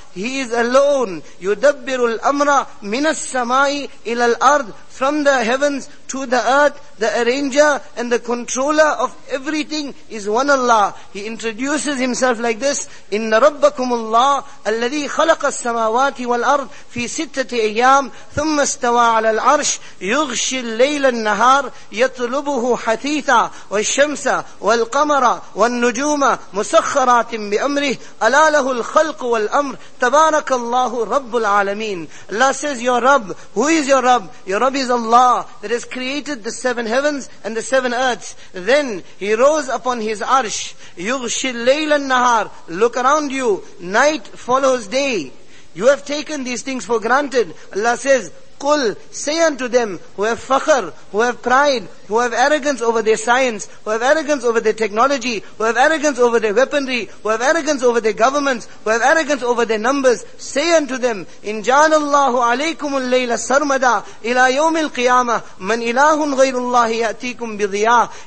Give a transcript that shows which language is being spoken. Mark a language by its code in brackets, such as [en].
[en] He is alone. [ar] Yudabbirul amra minas samai ila الأرض [en] from the heavens to the earth, the arranger and the controller of everything is one Allah. He introduces Himself like this, [ar] إِنَّ رَبَّكُمُ اللَّهُ الَّذِي خَلَقَ السَّمَاوَاتِ السماوات والأرض في ستة أيام ثم استوى على العرش يغشي الليل النهار يطلبه حثيثا والشمس والقمر والنجوم مسخرات بأمره ألا له الخلق والأمر تبارك الله رب العالمين. [en] Allah says, your Rabb, who is your Rabb? Your Rabb is Allah that has created the seven heavens and the seven earths. Then he rose upon his arsh. [ar] يغشي الليل النهار. [en] Look around you. Night follows day. You have taken these things for granted. Allah says, قُلْ, say unto them who have fakhr, who have pride, who have arrogance over their science, who have arrogance over their technology, who have arrogance over their weaponry, who have arrogance over their governments, who have arrogance over their numbers, say unto them, [ar] إِنْ جَعَلَ اللَّهُ عَلَيْكُمُ اللَّيْلَ سَرْمَدًا إِلَى يَوْمِ الْقِيَامَةِ مَنْ إِلَهٌ غَيْرُ اللَّهِ يَأْتِيكُمْ بِضِيَاءٍ.